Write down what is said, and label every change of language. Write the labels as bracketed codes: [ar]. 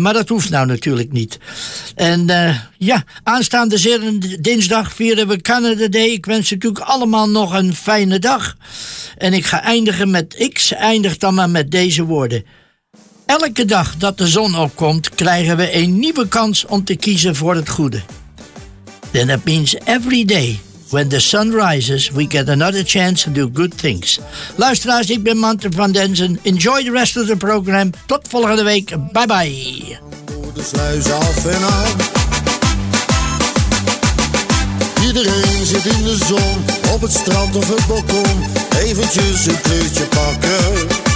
[nl] Maar dat hoeft nou natuurlijk niet. En aanstaande dinsdag vieren we Canada Day. Ik wens natuurlijk allemaal nog een fijne dag. En ik ga eindigen met X. Eindig dan maar met deze woorden. Elke dag dat de zon opkomt, krijgen we een nieuwe kans om te kiezen voor het goede. [en] Then that means every day. When the sun rises, we get another chance to do good things. [nl] Luisteraars, ik ben Manter van Denzen. [en] Enjoy the rest of the program. [nl] Tot volgende week. [en] Bye bye. [nl] De sluis af en aan. Iedereen zit in de zon, op het strand of het balkon. Eventjes een kleurtje pakken.